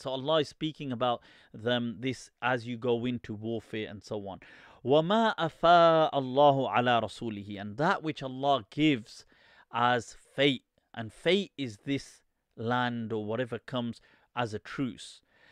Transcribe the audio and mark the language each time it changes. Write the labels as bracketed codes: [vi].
[en] So Allah is speaking about them, this as you go into warfare and so on. [ar] وما أفاء الله على رسوله. [en] And that which Allah gives as fate, and fate is this land or whatever comes as a truce.